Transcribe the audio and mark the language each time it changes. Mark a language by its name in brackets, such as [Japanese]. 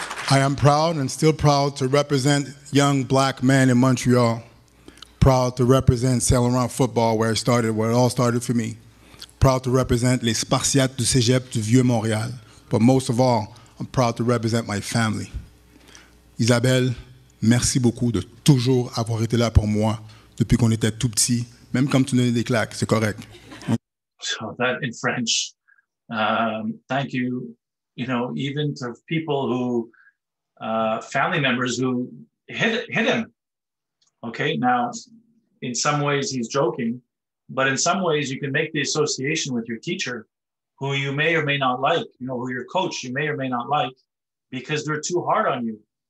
[English] I am proud and still proud to represent young black men in Montreal. Proud to represent Saint-Laurent football, where I started, where it all started for me. Proud to represent les Spartiates du Cégep du Vieux Montréal. But most of all, I'm proud to represent my family. [French] Isabelle, merci beaucoup de toujours avoir été là pour moi depuis qu'on était tout petit, même quand tu donnais des claques, c'est correct. [English] So that in French. Thank you. You know, even to people who, family members who hit him. Okay, now, in some ways he's joking, but in some ways you can make the association with your teacher, who you may or may not like, you know, who your coach you may or may not like, because they're too hard on you.